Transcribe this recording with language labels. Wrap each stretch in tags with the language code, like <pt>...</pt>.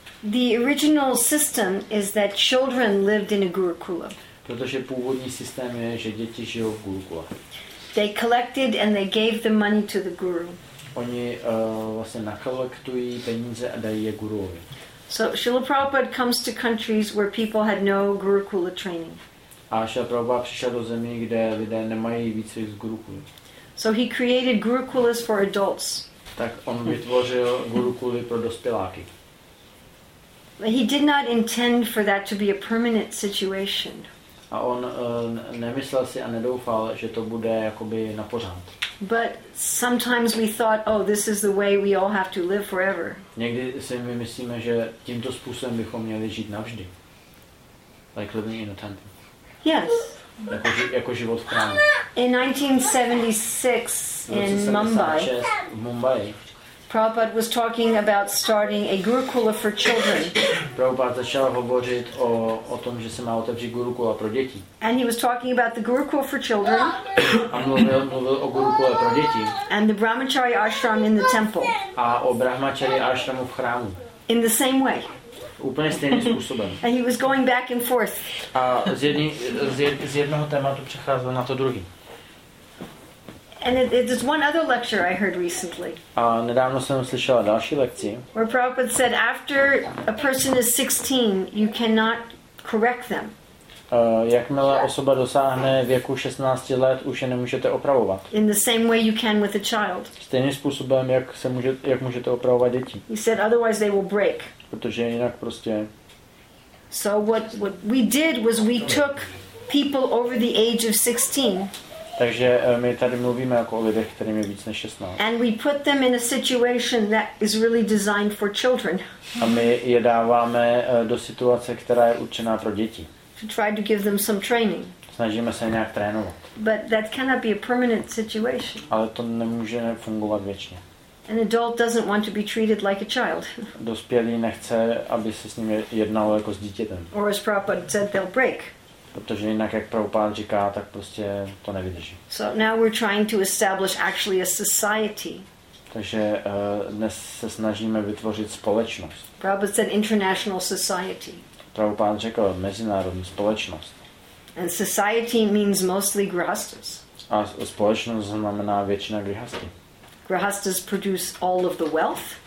<en>The original system is that children lived in a gurukula.</en> <cs>Protože původní systém je, že děti žijou v gurukule.</cs> <en>They collected and they gave the money to the guru.</en> <cs>Oni vlastně nakolektují peníze a dají je guruovi.</cs> <en>So Srila Prabhupada comes to countries where people had no gurukula training.</en> <cs>A Srila Prabhupada přišel do zemí, kde lidé nemají výcvik z gurukuly.</cs> <en>So he created gurukulas for adults.</en> <cs>Tak on vytvořil gurukuly pro dospěláky.</cs> <en>But he did not intend for that to be a permanent situation.</en> <cs>A on nemyslel si a nedoufal, že to bude jakoby na pořád.</cs> <en>But sometimes we thought, oh, this is the way we all have to live forever.</en> <cs>Někdy si my myslíme, že tímto způsobem bychom měli žít navždy.</cs> <en>Like living in a tent. Yes.</en> <cs>Jako život v chrámě.</cs> <en>In 1976 in Mumbai.</en> <cs>V Mumbai.</cs> <en>Prabhupada was talking about starting a gurukula for children.</en> <cs>Prabhupada začal hovořit o tom, že se má otevřít gurukula pro děti.</cs> <en>And he was talking about the gurukula for children.</en> <cs>A mluvil o gurukule pro děti.</cs> <en>And the brahmachari ashram in the temple.</en> <cs>A o brahmachari ashramu v chrámu.</cs> <en>In the same way.</en> <cs>Úplně stejným způsobem.</cs> <en>And he was going back and forth.</en> <cs>A z jednoho tématu přecházel na to druhý.</cs> <en>And there's one other lecture I heard recently.</en> <cs>A nedávno jsem slyšela další lekci.</cs> <en>Where Prabhupada said after a person is 16, you cannot correct them.</en> <cs>Jakmile osoba dosáhne věku 16 let, už je nemůžete opravovat.</cs> <en>In the same way you can with a child.</en> <cs>Stejným způsobem, jak můžete opravovat děti.</cs> <en>He said otherwise they will break.</en> <cs>Protože jinak prostě.</cs> <en>So what we did was we took people over the age of 16.</en> <cs>Takže my tady mluvíme jako o lidech, kterým je víc než 16.</cs> <en>And we put them in a situation that is really designed for children.</en> <cs>A my je dáváme do situace, která je určená pro děti.</cs> <en>To try to give them some training.</en> <cs>Snažíme se nějak trénovat.</cs> <en>But that cannot be a permanent situation.</en> <cs>Ale to nemůže fungovat věčně.</cs> <en>An adult doesn't want to be treated like a child.</en> <cs>Dospělý nechce, aby se s ním jednalo jako s dítětem.</cs> <en>Or as Prabhupada said, they'll break.</en> <cs>Protože jinak, jak Prabhupád říká, tak prostě to nevydrží.</cs> <en>So now we're trying to establish actually a society.</en> <cs>Takže dnes se snažíme vytvořit společnost.</cs> <en>Prabhupád said international society.</en> <cs>Prabhupád řekl mezinárodní společnost.</cs> <en>And society means mostly grihastas.</en> <cs>A společnost znamená většina grihasty.</cs> <en>Grihastas produce all of the wealth.</en>